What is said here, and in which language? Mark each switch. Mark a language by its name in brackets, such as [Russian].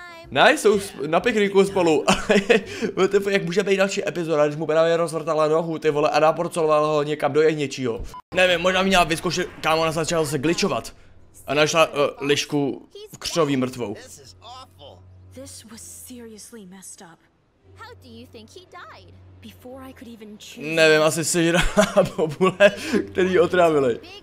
[Czech] Ne, jsou na pikniku spolu, ale jak může být další epizoda, když mu právě rozvrtala nohu, ty vole, a naporcovala ho někam do jehněčího. Nevím, možná měla vyzkoušet, kámo, ona začala se glitchovat a našla lišku v křoví mrtvou. [English] This was seriously messed up. How do you think he died? Before I could even choose. [Czech] Nevím, asi si jde bobule, který ji otrávili.